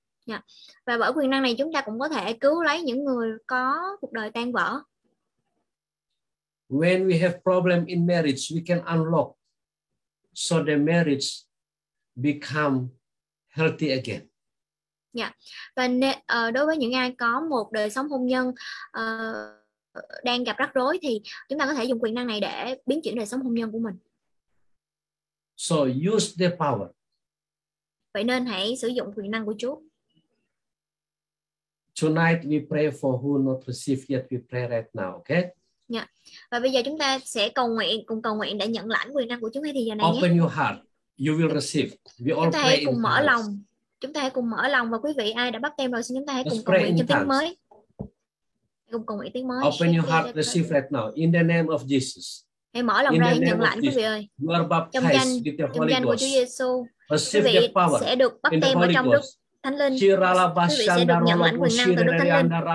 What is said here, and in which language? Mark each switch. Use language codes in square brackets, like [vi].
[vi] Yeah. Và bởi quyền năng này chúng ta cũng có thể cứu lấy những người có cuộc đời tan vỡ. [en] When we have problem in marriage, we can unlock so the marriage become healthy again. [vi] Yeah. Và đối với những ai có một đời sống hôn nhân đang gặp rắc rối thì chúng ta có thể dùng quyền năng này để biến chuyển đời sống hôn nhân của mình. [en] So use the power. [vi] Vậy nên hãy sử dụng quyền năng của Chúa. [en] Tonight we pray for who not received yet, we pray right now, okay? Yeah. [vi] Và bây giờ chúng ta sẽ cầu nguyện để nhận lãnh quyền năng của Chúa ngay thì giờ này [en] open [vi] nhé. [en] Open your heart, you will receive. We all pray in tongues. [vi] Chúng ta hãy cùng mở lòng, và quý vị ai đã bắt tem rồi xin chúng ta hãy cùng cầu nguyện cho tiếng mới. [en] Open your heart, receive right now in the name of Jesus. [vi] Hãy mở lòng ra, nhận lãnh quý vị ơi. [en] You are baptized with the Holy Ghost. [vi] Trong danh của Chúa Giêsu, quý vị sẽ được bắt tem ở trong Đức Thánh Linh, quý vị sẽ được nhận lãnh quyền năng từ Đức Thánh Linh.